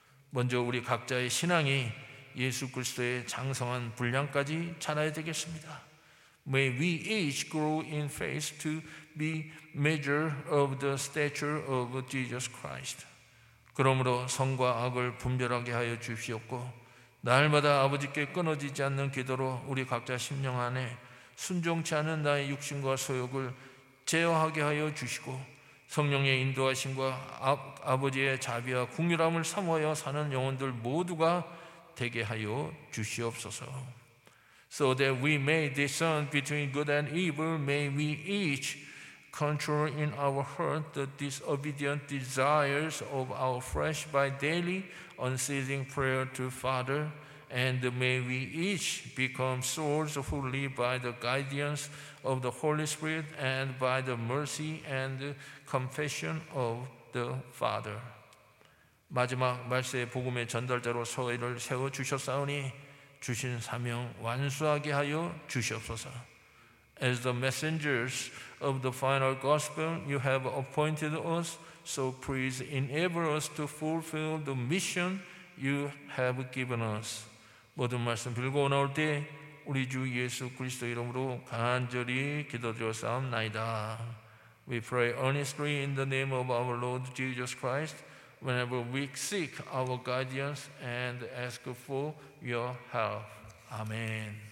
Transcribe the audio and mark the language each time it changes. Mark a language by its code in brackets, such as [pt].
[ko] 먼저 우리 각자의 신앙이 예수 그리스도의 장성한 분량까지 자라야 되겠습니다. [en] May we each grow in faith to be measure of the stature of Jesus Christ. [ko] 그러므로 선과 악을 분별하게 하여 주시옵고 날마다 아버지께 끊어지지 않는 기도로 우리 각자 심령 안에 순종치 않은 나의 육신과 소욕을 제어하게 하여 주시고 성령의 인도하심과 아버지의 자비와 궁휼함을 삼으여 사는 영혼들 모두가 되게 하여 주시옵소서. [en] So that we may discern between good and evil, may we each control in our heart the disobedient desires of our flesh by daily unceasing prayer to Father, and may we each become souls who live by the guidance of the Holy Spirit and by the mercy and compassion of the Father. [ko] 마지막 말세의 복음의 전달자로 서회를 세워 주셨사오니 주신 사명 완수하게 하여 주시옵소서. [en] As the messengers of the final gospel, you have appointed us, so please enable us to fulfill the mission you have given us. [ko] 모든 말씀 빌고 나올 때 우리 주 예수 그리스도 이름으로 간절히 기도드렸사옵나이다. [en] We pray earnestly in the name of our Lord Jesus Christ whenever we seek our guidance and ask for your help. Amen.